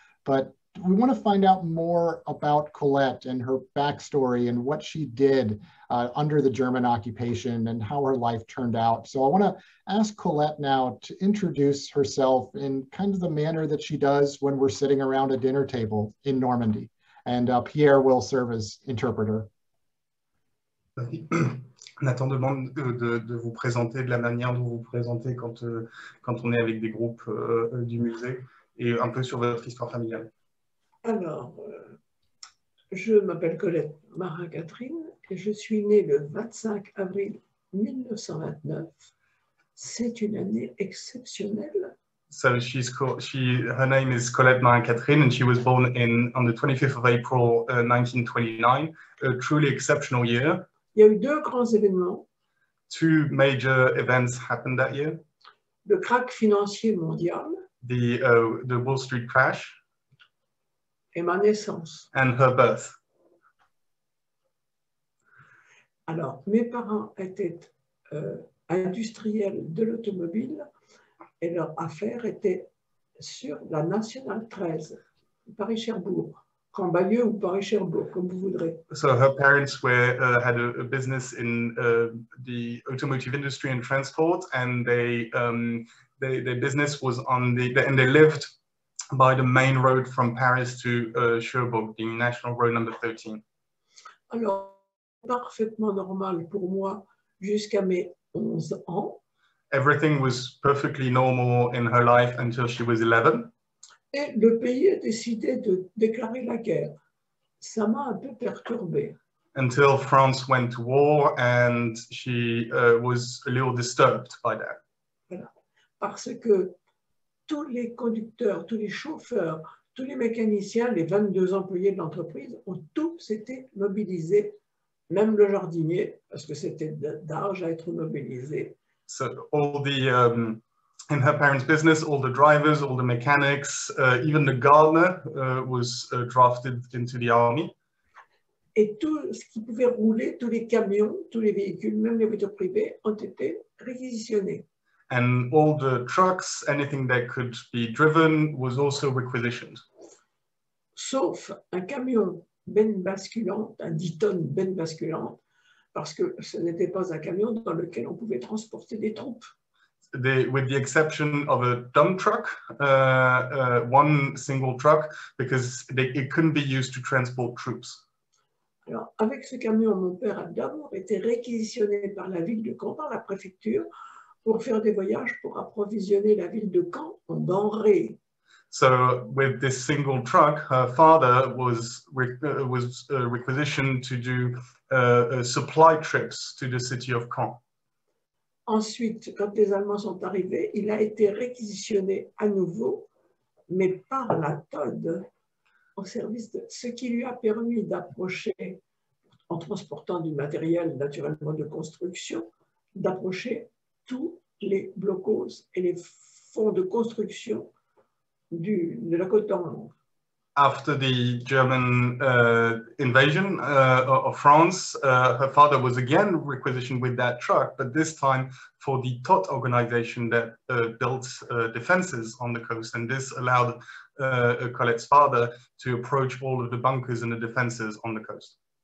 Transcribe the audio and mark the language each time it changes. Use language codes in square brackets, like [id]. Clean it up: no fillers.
[en] But we want to find out more about Colette and her backstory and what she did under the German occupation and how her life turned out. So I want to ask Colette now to introduce herself in kind of the manner that she does when we're sitting around a dinner table in Normandy. And Pierre will serve as interpreter. [fr] Nathan demande de vous présenter de la manière dont vous présentez quand on est avec des groupes du musée et un peu sur votre histoire familiale. Alors, je m'appelle Colette Marin-Catherine et je suis née le 25 avril 1929. C'est une année exceptionnelle. [en] So her name is Colette Marin-Catherine and she was born on the 25th of April 1929, a truly exceptional year. [fr] Il y a eu deux grands événements. [en] Two major events happened that year. [fr] Le krach financier mondial. [en] The Wall Street crash. [fr] Et ma naissance. [en] And her birth. [fr] Alors, mes parents étaient industriels de l'automobile et leur affaire était sur la Nationale 13, Paris-Cherbourg, Cambaieux ou Paris-Cherbourg, comme vous voudrez. [en] So her parents had a business in the automotive industry and transport and their business was on the, and they lived by the main road from Paris to Cherbourg, the national road number 13. [fr] Alors, parfaitement normal pour moi jusqu'à mes 11 ans. [en] Everything was perfectly normal in her life until she was 11. [fr] Et le pays a décidé de déclarer la guerre. Ça m'a un peu perturbé. [en] Until France went to war and she was a little disturbed by that. [fr] Voilà. Parce que tous les conducteurs, tous les chauffeurs, tous les mécaniciens, les 22 employés de l'entreprise ont tous été mobilisés, même le jardinier, parce que c'était d'âge à être mobilisé. [en] So all the, in her parents' business, all the drivers, all the mechanics, even the gardener was drafted into the army. [fr] Et tout ce qui pouvait rouler, tous les camions, tous les véhicules, même les voitures privées, ont été réquisitionnés. [en] And all the trucks, anything that could be driven, was also requisitioned. [fr] Sauf un camion benne basculante, un 10 tonnes benne basculante, parce que ce n'était pas un camion dans lequel on pouvait transporter des troupes. [en] With the exception of a dump truck, one single truck, because it couldn't be used to transport troops. [fr] Alors, avec ce camion, mon père a d'abord été réquisitionné par la ville de Caen, par la préfecture, pour faire des voyages pour approvisionner la ville de Caen en denrées. [en] So, with this single truck, her father was requisitioned to do supply trips to the city of Caen. [fr] Ensuite, quand les Allemands sont arrivés, il a été réquisitionné à nouveau, mais par la TOD, au service de ce qui lui a permis d'approcher, en transportant du matériel naturellement de construction, d'approcher tous les blocos et les fonds de construction de la côte d'Anglais. [en] After the German invasion of France, her father was again requisitioned with that truck, but this time for the TOT organization that built defenses on the coast. And this allowed Colette's father to approach all of the bunkers and the defenses on the coast.